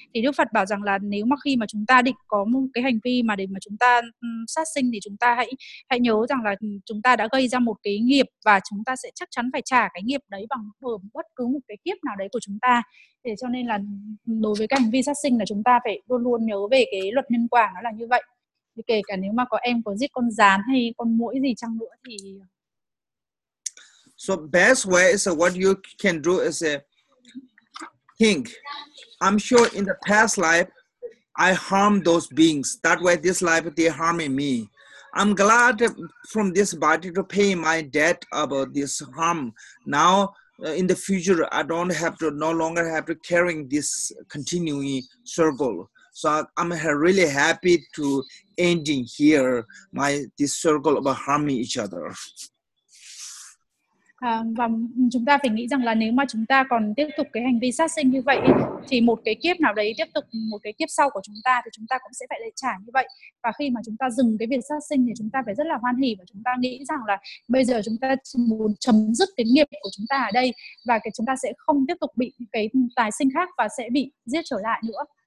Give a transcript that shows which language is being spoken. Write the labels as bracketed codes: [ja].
[vi] Thì Đức Phật bảo rằng là nếu mà khi mà chúng ta định có một cái hành vi mà để mà chúng ta sát sinh thì chúng ta hãy nhớ rằng là chúng ta đã gây ra một cái nghiệp, và chúng ta sẽ chắc chắn phải trả cái nghiệp đấy bằng bất cứ một cái kiếp nào đấy của chúng ta. Thế cho nên là đối với cái hành vi sát sinh là chúng ta phải luôn luôn nhớ về cái luật nhân quả, nó là như vậy. Kể cả nếu mà có em có giết con gián hay con muỗi gì chăng nữa thì [en] so best way is what you can do is think, I'm sure in the past life I harmed those beings, that way this life they harming me, I'm glad from this body to pay my debt about this harm, now in the future I don't have to no longer have to carrying this continuing struggle. So I'm really happy to ending here my this circle of harming each other. [vi] Và chúng ta phải nghĩ rằng là nếu mà chúng ta còn tiếp tục cái hành vi sát sinh như vậy thì một cái kiếp nào đấy tiếp tục, một cái kiếp sau của chúng ta thì chúng ta cũng sẽ phải lại trả như vậy. Và khi mà chúng ta dừng cái việc sát sinh thì chúng ta phải rất là hoan hỉ, và chúng ta nghĩ rằng là bây giờ chúng ta muốn chấm dứt cái nghiệp của chúng ta ở đây, và cái chúng ta sẽ không tiếp tục bị cái tái sinh khác và sẽ bị giết trở lại nữa.